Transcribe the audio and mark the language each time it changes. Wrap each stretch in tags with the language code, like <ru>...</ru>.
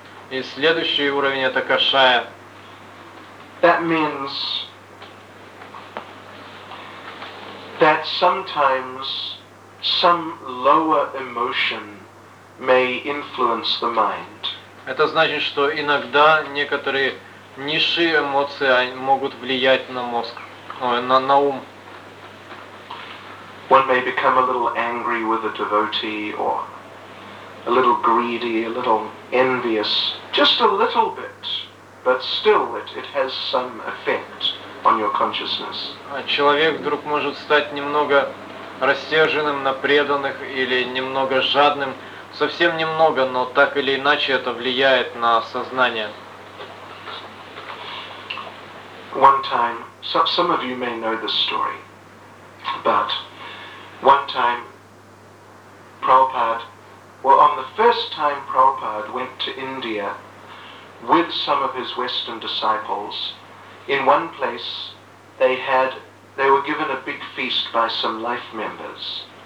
<ru>И следующий уровень это кашая.</ru> <en>That means that sometimes some lower emotion may influence the mind.</en> <ru>Это значит, что иногда некоторые низшие эмоции могут влиять на мозг, на ум.</ru> <en>One may become a little angry with a devotee or a little greedy, a little envious, just a little bit, but still it has some effect on your consciousness.</en> <ru>Человек вдруг может стать немного рассерженным на преданных или немного жадным, совсем немного, но так или иначе это влияет на сознание.</ru> <en>One time, some of you may know this story, but one time Prabhupada, well, on the first time Prabhupada went to India with some of his Western disciples, in one place they were given a big feast by some life members.</en>